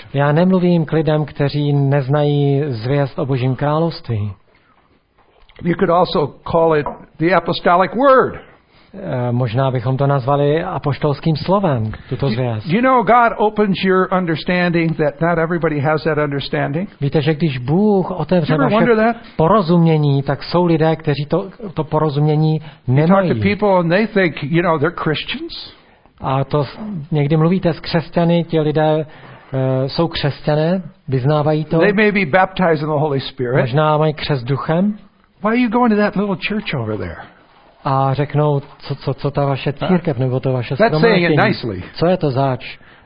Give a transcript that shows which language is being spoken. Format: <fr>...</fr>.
<cs>Já nemluvím k lidem, kteří neznají zvěst o Božím království.</cs> <en>You could also call it the apostolic word.</en> <cs>Možná bychom to nazvali apoštolským slovem, tuto zvěst.</cs> <en>You know, God opens your understanding that not everybody has that understanding.</en> <cs>Víte, že když Bůh otevře naše porozumění, tak jsou lidé, kteří to porozumění nemají.</cs> <en>You talk to people and they think, you know, they're Christians.</en> <cs>A to někdy mluvíte s křesťany, ti lidé jsou křesťané, vyznávají to.</cs> <en>They may be baptized in the Holy Spirit.</en> <cs>Možná mají křest duchem.</cs> <en>Why are you going to that little church over there?</en> <cs>A řeknou, co ta vaše církev nebo to vaše shromáždění. Co je to zač?</cs>